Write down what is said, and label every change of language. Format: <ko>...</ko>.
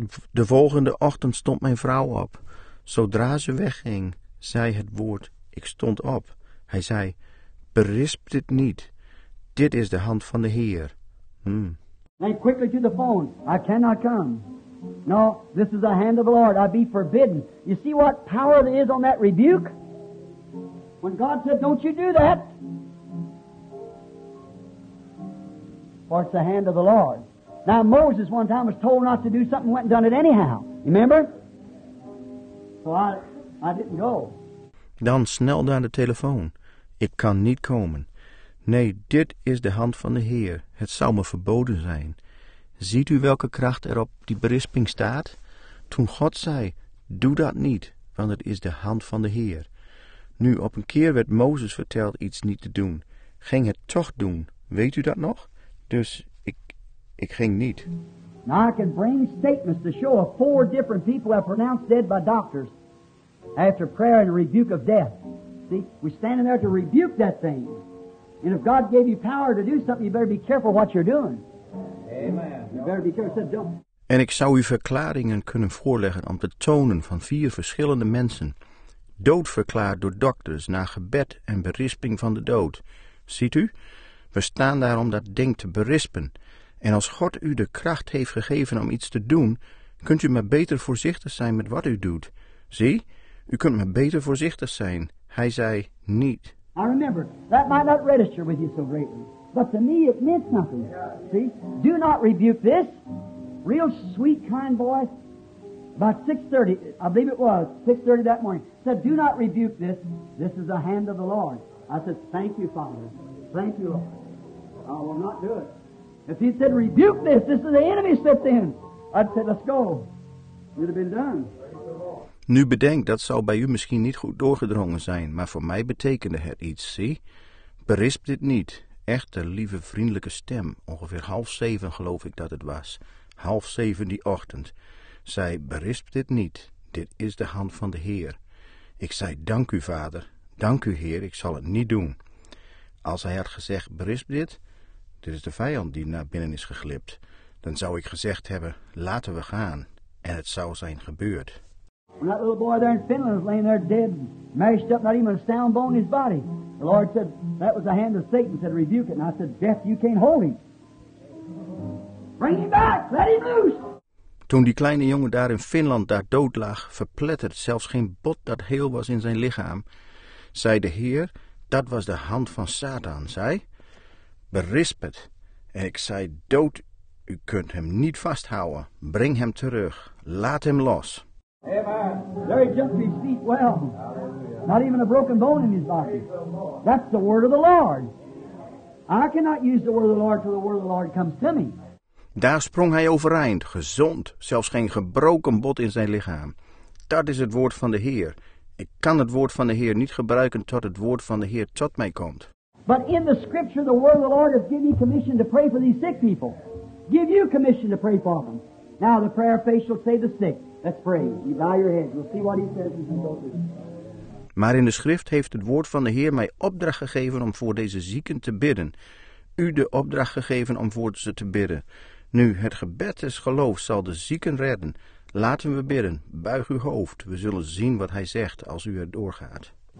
<nl>De volgende ochtend stond mijn vrouw op. Zodra ze wegging, zei het woord. Ik stond op. Hij zei, berisp dit niet. Dit is de hand van de Heer.</nl> <en>Then quickly to the phone. I cannot come. No, this is the hand of the Lord. I be forbidden. You see what power there is on that rebuke? When God said, don't you do that. for it's the hand of the Lord. Now, Moses one time was told not to do something, went and done it anyhow. You remember? So I didn't go.</en> <nl>Dan snelde aan de telefoon. Ik kan niet komen. Nee, dit is de hand van de Heer. Het zou me verboden zijn. Ziet u welke kracht er op die berisping staat? Toen God zei, doe dat niet, want het is de hand van de Heer. Nu, op een keer werd Mozes verteld iets niet te doen. Ging het toch doen. Weet u dat nog? Dus ik ging niet.</nl> <en>Now I can bring statements to show of four different people are pronounced dead by doctors after prayer and rebuke of death. See, we're standing there to rebuke that thing. And if God gave you power to do something, you better be careful what you're doing. Amen. You better be careful. Said, don't.</en> <nl>En ik zou u verklaringen kunnen voorleggen om te tonen van vier verschillende mensen. Doodverklaard door dokters na gebed en berisping van de dood. Ziet u? We staan daar om dat ding te berispen. En als God u de kracht heeft gegeven om iets te doen, kunt u maar beter voorzichtig zijn met wat u doet. Zie, u kunt maar beter voorzichtig zijn. Hij zei niet.</nl> <en>I remember, that might not register with you so greatly, but to me it meant nothing. See, do not rebuke this. Real sweet, kind boy, about 6:30, I believe it was, 6:30 that morning, said, do not rebuke this. This is the hand of the Lord. I said, thank you, Father. Thank you, Lord. I will not do it. If he said, rebuke this, this is the enemy stepped in. I'd say, let's go. It would have been done.</en> <nl>Nu bedenk, dat zou bij u misschien niet goed doorgedrongen zijn, maar voor mij betekende het iets, zie. Berisp dit niet. Echte, lieve, vriendelijke stem. Ongeveer 6:30 geloof ik dat het was. 6:30 die ochtend. Zij berisp dit niet. Dit is de hand van de Heer. Ik zei, dank u, Vader. Dank u, Heer, ik zal het niet doen. Als hij had gezegd, berisp dit. Dit is de vijand die naar binnen is geglipt. Dan zou ik gezegd hebben, laten we gaan. En het zou zijn gebeurd.</nl> <en>When that little boy there in Finland is laying there dead, mashed up, not even a sound bone in his body. The Lord said, that was the hand of Satan, said, rebuke it. And I said, death, you can't hold him. Bring him back, let him loose.</en> <nl>Toen die kleine jongen daar in Finland daar dood lag, verpletterd, zelfs geen bot dat heel was in zijn lichaam, zei de Heer, dat was de hand van Satan, zei, berisp het. En ik zei, dood, u kunt hem niet vasthouden, breng hem terug, laat hem los. Amen.</nl> <en>There he jumped to his feet well. Hallelujah. Not even a broken bone in his body. That's the word of the Lord. I cannot use the word of the Lord till the word of the Lord comes to me.</en> <nl>Daar sprong hij overeind, gezond, zelfs geen gebroken bot in zijn lichaam. Dat is het woord van de Heer. Ik kan het woord van de Heer niet gebruiken tot het woord van de Heer tot mij komt.</nl> <en>But in the scripture the word of the Lord has given you commission to pray for these sick people. Give you commission to pray for them. Now the prayer of faith shall save the sick. Let's pray. You bow your head. We'll see what he says as we go through.</en> <nl>Maar in de schrift heeft het woord van de Heer mij opdracht gegeven om voor deze zieken te bidden. U de opdracht gegeven om voor ze te bidden. Nu, het gebed des geloofs zal de zieken redden. Laten we bidden. Buig uw hoofd. We zullen zien wat hij zegt als u erdoor gaat.</nl>